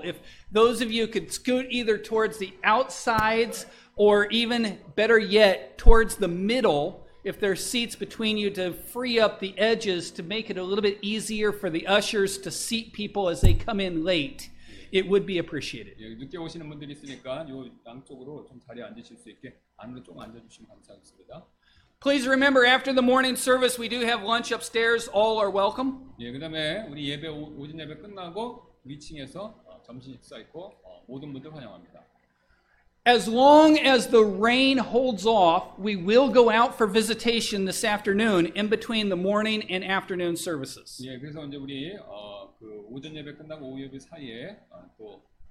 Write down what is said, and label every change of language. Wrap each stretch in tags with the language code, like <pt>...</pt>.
<en>If those of you could scoot either towards the outsides or even better yet, towards the middle, if there are seats between you to free up the edges to make it a little bit easier for the ushers to seat people as they come in late, it would be appreciated.</en> <ko>예, 늦게 오시는 분들이 있으니까 요 양쪽으로 좀 자리에 앉으실 수 있게 안으로 좀 앉아주시면 감사하겠습니다.</ko> <en>Please remember, after the morning service, we do have lunch upstairs. All are welcome.</en> <ko>예, 그다음에 우리 예배 오전 예배 끝나고 위층에서 점심 식사 있고 모든 분들 환영합니다.</ko> <en>As long as the rain holds off, we will go out for visitation this afternoon in between the morning and afternoon services.</en> <ko>예, 그래서 이제 우리 그 오전 예배 끝나고 오후 예배 사이에 또</ko>